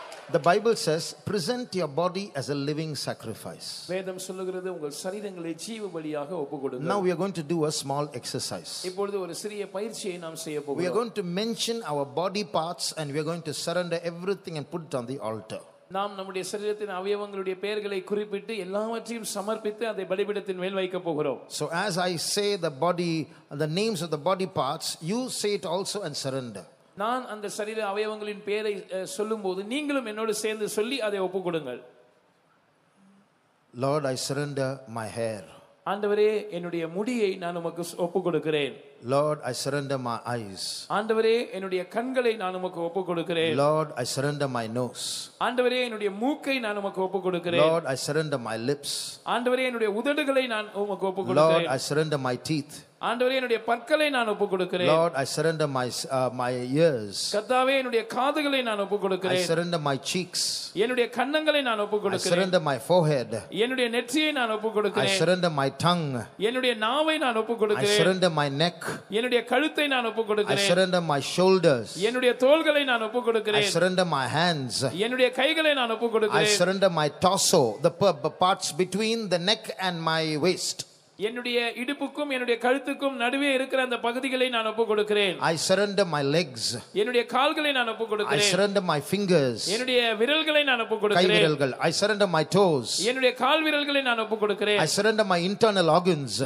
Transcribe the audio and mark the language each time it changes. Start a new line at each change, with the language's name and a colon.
English: The Bible says, present your body as a living sacrifice.
Tamil: வேதம் சொல்லுகிறது உங்கள் சரீரங்களை ஜீவ பலியாக ஒப்புக்கொடுங்கள்.
English: Now we are going to do a small exercise.
Tamil: இப்பொழுது ஒரு சிறிய பயிற்சியை நாம் செய்ய போகிறோம்.
English: We are going to mention our body parts and we are going to surrender everything and put it on the altar.
Tamil: நாம் நம்முடைய சரீரத்தின் அவயவங்களுடைய பெயர்களை குறிப்பிட்டு எல்லாவற்றையும் சமர்ப்பித்து அதை பலிபீடத்தின் மேல் வைக்க போகிறோம்.
English: So as I say the body, the names of the body parts, you say it also and surrender.
Tamil: நான் அந்த சரீர அவயவங்களின் பெயரை சொல்லும் போது நீங்களும் என்னோடு சேர்ந்து சொல்லி அதை ஒப்புக் கொடுங்கள்.
English: Lord, I surrender my hair.
Tamil: ஆண்டவரே, என்னுடைய முடியை நான் உமக்கு ஒப்புக் கொடுக்கிறேன்.
English: Lord, I surrender my eyes.
Tamil: ஆண்டவரே, என்னுடைய கண்களை நான் உமக்கு ஒப்புக் கொடுக்கிறேன்.
English: Lord, I surrender my nose.
Tamil: ஆண்டவரே, என்னுடைய மூக்கை நான் உமக்கு ஒப்புக் கொடுக்கிறேன்.
English: Lord, I surrender my lips.
Tamil: ஆண்டவரே, என்னுடைய உதடுகளை நான் உமக்கு ஒப்புக் கொடுக்கிறேன்.
English: Lord, I surrender my teeth.
Tamil: ஆண்டவரே, என்னுடைய பற்களை நான் ஒப்புக் கொடுக்கிறேன்.
English: Lord, I surrender my ears.
Tamil: கர்த்தாவே, என்னுடைய காதுகளை நான் ஒப்புக் கொடுக்கிறேன்.
English: I surrender my cheeks.
Tamil: என்னுடைய கன்னங்களை நான் ஒப்புக் கொடுக்கிறேன்.
English: I surrender my forehead.
Tamil: என்னுடைய நெற்றியை நான் ஒப்புக் கொடுக்கிறேன்.
English: I surrender my tongue.
Tamil: என்னுடைய நாவை நான் ஒப்புக் கொடுக்கிறேன்.
English: I surrender my neck.
Tamil: என்னுடைய கழுத்தை நான் ஒப்புக் கொடுக்கிறேன்.
English: I surrender my shoulders.
Tamil: என்னுடைய தோள்களை நான் ஒப்புக் கொடுக்கிறேன்.
English: I surrender my hands.
Tamil: என்னுடைய கைகளை நான் ஒப்புக் கொடுக்கிறேன்.
English: I surrender my torso, the parts between the neck and my waist.
Tamil: என்னுடைய இடுப்புக்கும் என்னுடைய கழுத்துக்கும் நடுவே இருக்கிற அந்த பகுதிகளை நான் ஒப்புக் கொடுக்கிறேன்.
English: I surrender my legs.
Tamil: என்னுடைய கால்களை நான் ஒப்புக் கொடுக்கிறேன்.
English: I surrender my fingers.
Tamil: என்னுடைய விரல்களை நான் ஒப்புக் கொடுக்கிறேன். கை விரல்கள்.
English: I surrender my toes.
Tamil: என்னுடைய கால் விரல்களை நான் ஒப்புக் கொடுக்கிறேன்.
English: I surrender my internal organs.